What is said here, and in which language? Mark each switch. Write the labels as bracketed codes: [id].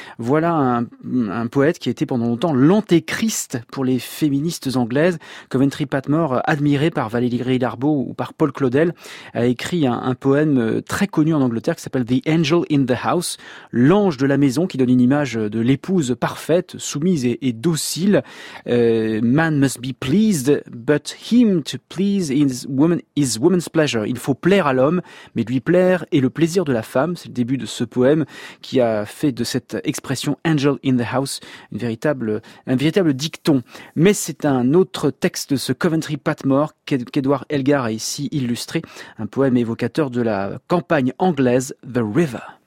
[fr] Voilà un poète qui était pendant longtemps l'antéchrist pour les féministes anglaises. Coventry Patmore, admiré par Valérie Darbaud ou par Paul Claudel, a écrit un poème très connu en Angleterre qui s'appelle The Angel in the House, l'ange de la maison, qui donne une image de l'épouse parfaite, soumise et docile. [en] Man must be pleased, but him to please is woman's pleasure. [fr] Il faut plaire à l'homme, mais lui plaire est le plaisir de la femme. C'est le début de ce poème qui a fait de cette expression Angel in the House un véritable dicton. Mais c'est un autre texte de ce Coventry Patmore qu'Edward Elgar a ici illustré, un poème évocateur de la campagne anglaise The River.